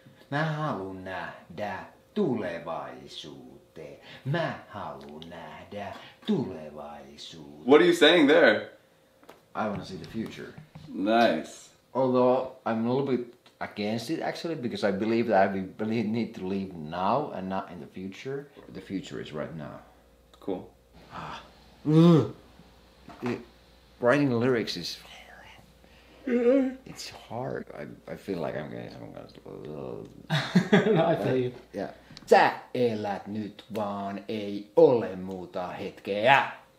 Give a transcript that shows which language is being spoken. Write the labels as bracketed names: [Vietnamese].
[Finnish] Mä haluun nähdä tulevaisuuteen. Mä haluun nähdä tulevaisuuteen. [English] What are you saying there? I want to see the future. Nice. Although I'm a little bit against it actually, because I believe that we really need to live now and not in the future. The future is right now. Cool. Writing lyrics is... It's hard. I feel like I'm getting some kind of... No, I feel you. Yeah. [Finnish] Sä elät nyt vaan, ei ole muuta hetkeä.